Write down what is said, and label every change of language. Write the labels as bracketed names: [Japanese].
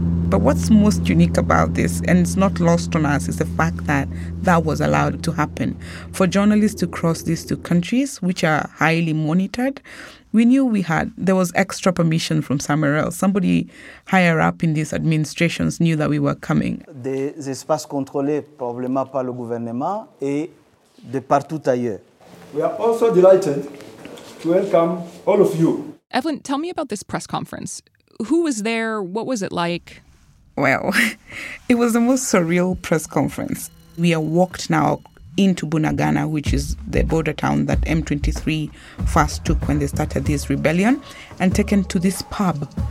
[English] But what's most unique about this, and it's not lost on us, is the fact that that was allowed to happen. For journalists to cross these two countries, which are highly monitored, we knew there was extra permission from somewhere else. Somebody higher up in these administrations knew that we were coming. [French] Des espaces contrôlés probablement par le gouvernement et de partout ailleurs. [English] We are also delighted to welcome all of you. Evelyn, tell me about this press conference. Who was there? What was it like? Well, it was the most surreal press conference. We are walked now into Bunagana, which is the border town that M23 first took when they started this rebellion, and taken to this pub.